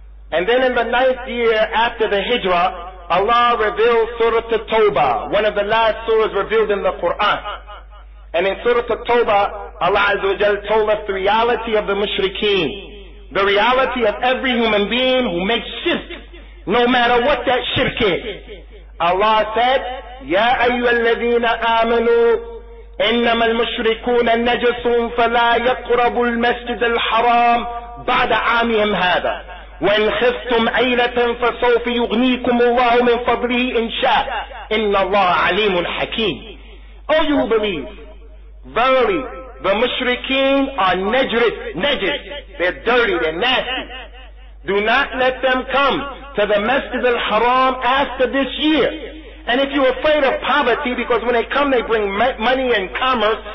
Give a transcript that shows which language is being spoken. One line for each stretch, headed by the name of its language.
English: And then in the ninth year after the Hijrah, Allah revealed Surah At-Tawbah, one of the last surahs revealed in the Quran. And in Surah At-Tawbah, Allah Azza wa Jal told us the reality of the mushrikeen, the reality of every human being who makes shirk, no matter what that shirk is. Allah said,
Arabic: Ya أَيُّهَا الَّذِينَ آمَنُوا إنما المشركون النجس فلا يقرب المسجد الحرام بعد عامهم هذا وإن خفتم عيلة فسوف يغنيكم الله من فضله إن شاء إن الله عليم حكيم.
English: Oh, you believe, verily the mushrikeen are najis, they're dirty, they're nasty. Do not let them come to the Masjid al-Haram after this year. And if you're afraid of poverty, because when they come, they bring money and commerce.